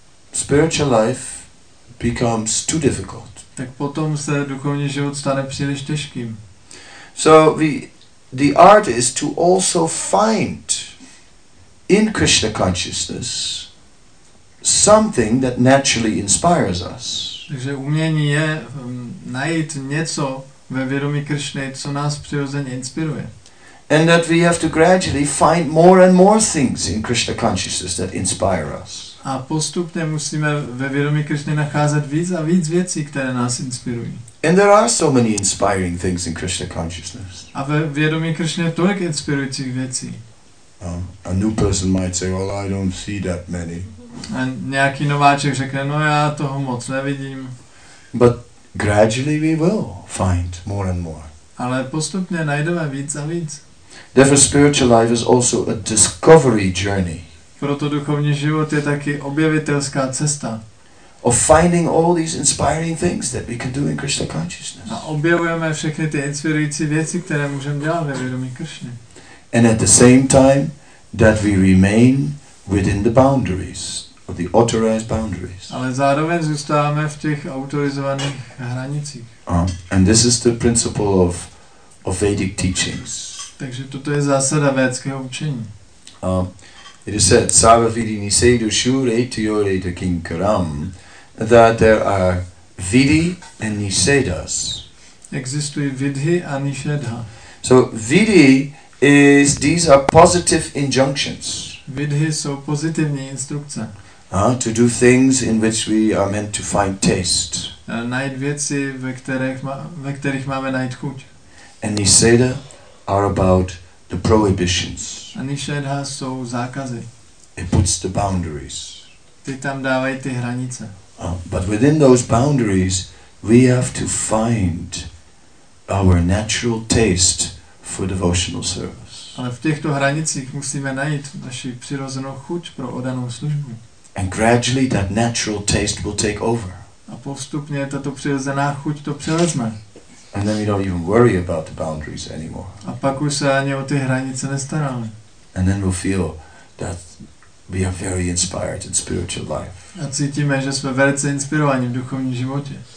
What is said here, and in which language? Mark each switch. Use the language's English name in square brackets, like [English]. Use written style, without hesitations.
[English] Then spiritual life becomes too difficult. [Czech] Tak potom se duchovní život stane příliš těžkým. [English] So the art is to also find in Krishna consciousness something that naturally inspires us. [Czech] Takže umění je najít něco ve vědomí Krishny, co nás přirozeně inspiruje. [English] And that we have to gradually find more and more things in Krishna consciousness that inspire us. [Czech] A postupně musíme ve vědomí Krishny nacházet víc a víc věcí, které nás inspirují. [English] And there are so many inspiring things in Krishna consciousness. [Czech] A ve vědomí Krishny je tolik inspirujících věcí. [English] A new person might say, well, I don't see that many. [Czech] A nějaký nováček řekne, no já toho moc nevidím. [English] But gradually we will find more and more. [Czech] Ale postupně najdeme víc a víc. [English] Therefore spiritual life is also a discovery journey. [Czech] Proto duchovní život je taky objevitelská cesta. [English] Of finding all these inspiring things that we can do in Krishna consciousness. [Czech] A objevujeme všechny ty inspirující věci, které můžeme dělat ve vědomí Kršny. [English] And at the same time that we remain within the boundaries of the authorized boundaries. [Czech] Ale zároveň zůstáváme v těch autorizovaných hranicích. [English] And this is the principle of Vedic teachings. [Czech] Takže toto je zásada védského učení. [English] It is said, [Sanskrit] Sarva vidini sedu shure tiore de kinkaram, [English] that there are vidhi and nisedas. [Czech] Existují vidhi a nisedha. [English] So vidhi is, these are positive injunctions. [Czech] Vidhi jsou pozitivní instrukce. [English] To do things in which we are meant to find taste. [Czech] Najít věci, ve kterých máme najít chuť. [English] And niseda are about the prohibitions. [Czech] Anishadha jsou zákazy. [English] It puts the boundaries. [Czech] Ty tam dávají ty hranice. [English] But within those boundaries, we have to find our natural taste for devotional service. [Czech] Ale v těchto hranicích musíme najít naši přirozenou chuť pro odanou službu. [English] And gradually that natural taste will take over. [Czech] A postupně tato přirozená chuť to převezme. [English] And then we don't even worry about the boundaries anymore. [Czech] A pak už se ani o ty hranice nestaráme. [English] And then we'll feel that we are very inspired in spiritual life. [Czech] A cítíme, že jsme velice inspirováni v duchovním životě.